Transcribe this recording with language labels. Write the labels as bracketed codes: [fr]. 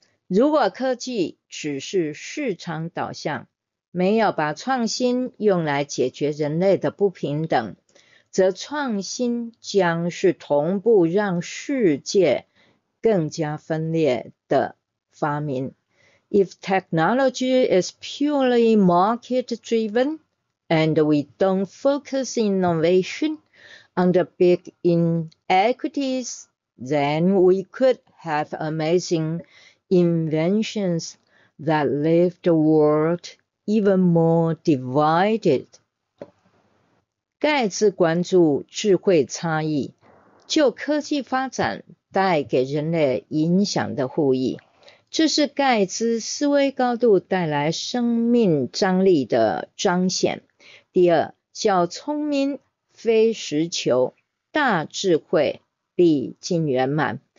[zh] 如果科技只是市场导向，没有把创新用来解决人类的不平等，则创新将是同步让世界更加分裂的发明。 [en] If technology is purely market-driven, and we don't focus innovation on the big inequities,Then we could have amazing inventions that leave the world even more divided. [zh] 盖茨关注智慧差异，就科技发展带给人类影响的互益，这是盖茨思维高度带来生命张力的彰显。第二，小聪明非实求，大智慧力尽圆满。